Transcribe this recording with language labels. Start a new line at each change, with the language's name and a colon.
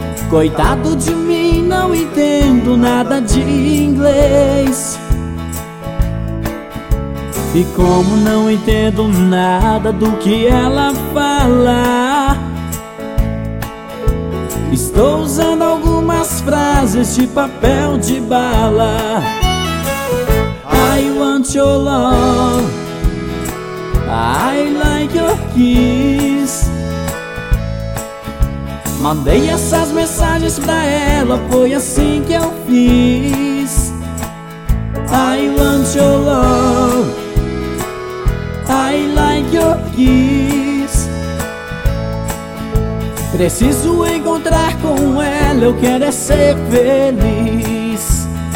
Portuguese: Coitado de mim, não entendo nada de inglês. E como não entendo nada do que ela fala, estou usando algumas frases de papel de bala.
English: I want your love, I like your kiss.
Portuguese: Mandei essas mensagens pra ela, foi assim que eu fiz.
English: I want your love, I like your kiss.
Portuguese: Preciso encontrar com ela, eu quero é ser feliz.